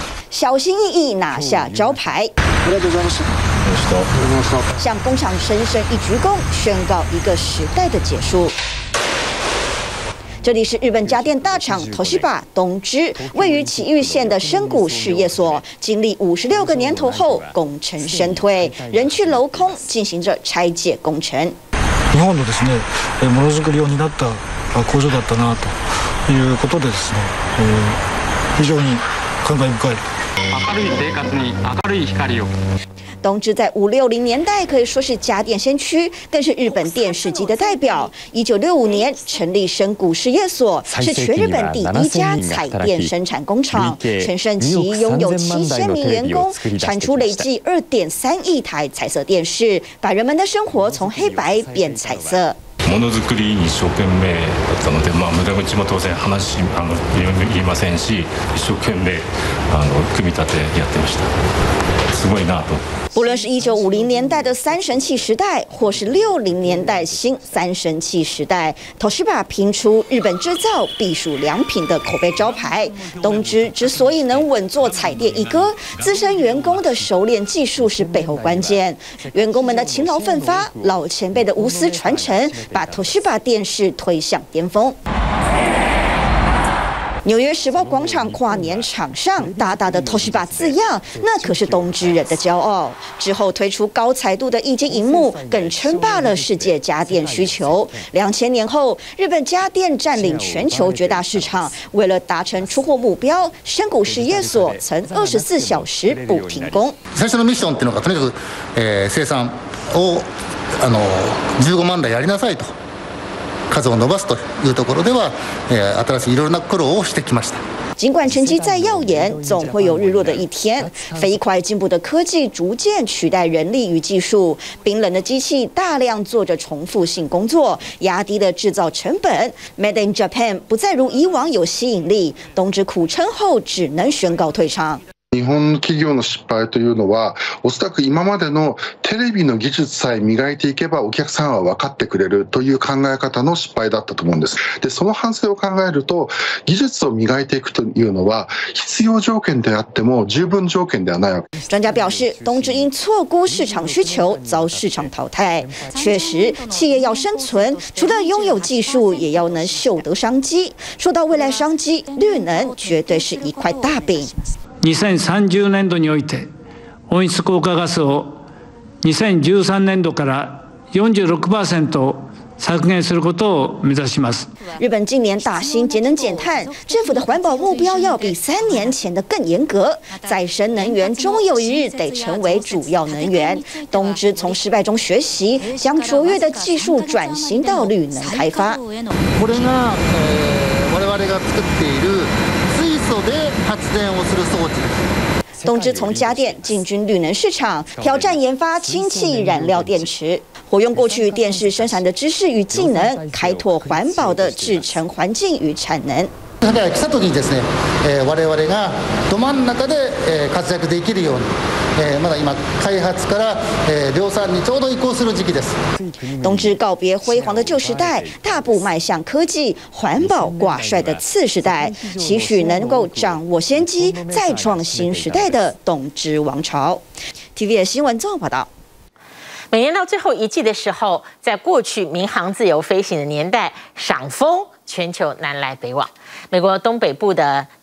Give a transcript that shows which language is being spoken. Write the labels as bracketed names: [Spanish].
[Chinese] 小心翼翼拿下招牌，向工厂深深一鞠躬，宣告一个时代的结束。这里是日本家电大厂Toshiba东芝，位于崎玉县的深谷事业所，经历56个年头后，工程身退，人去楼空，进行着拆解工程。 [Japanese] 日本のですね、ものづくり用になった工場だったなということでですね、非常に感慨深い。明るい生活に明るい光を。 [Chinese] 东芝在50、60年代可以说是家电先驱，更是日本电视机的代表。 1965年成立深谷事业所，是全日本第一家彩电生产工厂，全盛期拥有7000名员工，产出累计2.3亿台彩色电视，把人们的生活从黑白变彩色。 [Japanese] ものづくり一生懸命だったので、まあ、無駄口も当然話言いませんし、一生懸命組み立てやってました。すごいなと。 [Chinese] 不论是1950年代的三神器时代，或是60年代新三神器时代，都是把拼出日本制造避暑良品的口碑招牌。东芝之所以能稳坐彩电一哥，资深员工的熟练技术是背后关键。员工们的勤劳奋发，老前辈的无私传承，把Toshiba电视推向巅峰。纽约时报广场跨年场上，大大的 Toshiba 字样，那可是东芝人的骄傲。之后推出高彩度的液晶荧幕，更称霸了世界家电需求。 2000年后，日本家电占领全球绝大市场。为了达成出货目标，深谷事业所曾24小时不停工。 [Japanese] 最初のミッションっていうのが、とにかく生産を15万台やりなさいと。数を伸ばすというところでは、新しいいろいろな苦労をしてきました。 [Chinese] 尽管成绩再耀眼，总会有日落的一天。飞快进步的科技逐渐取代人力与技术，冰冷的机器大量做着重复性工作，压低了制造成本。 [English] Made in Japan [Chinese] 不再如以往有吸引力，东芝苦撑后只能宣告退场。 [Japanese] 日本の企業の失敗というのは、おそらく今までのテレビの技術さえ磨いていけばお客さんは分かってくれるという考え方の失敗だったと思うんです。で、その反省を考えると、技術を磨いていくというのは必要条件であっても十分条件ではない。 [Chinese] 专家表示，东芝因错估市场需求遭市场淘汰。确实，企业要生存，除了拥有技术，也要能嗅得商机。说到未来商机，绿能绝对是一块大饼。 [Japanese] 2030年度において温室効果ガスを2013年度から46%削減することを目指します。 [Chinese] 日本近年大兴节能减碳，政府的环保目标要比3年前的更严格。再生能源终有一日得成为主要能源。东芝从失败中学习，将卓越的技术转型到绿能开发。 [Japanese] これが我々が作っている水素で発電をする装置です。 [Chinese] 东芝从家电进军绿能市场，挑战研发氢气燃料电池，活用过去电视生产的知识与技能，开拓环保的制程环境与产能。 [Japanese] 彼らにですね、我々がど真ん中で活躍できるように、まだ今開発から量産にちょうど移行する時期です。 [Chinese] 东芝告别辉煌的旧时代，大步迈向科技环保挂帅的次时代，期许能够掌握先机，再创新时代的东芝王朝。 TVBS 新闻综合报道。每年到最后一季的时候，在过去民航自由飞行的年代，赏枫全球南来北往。美国东北部的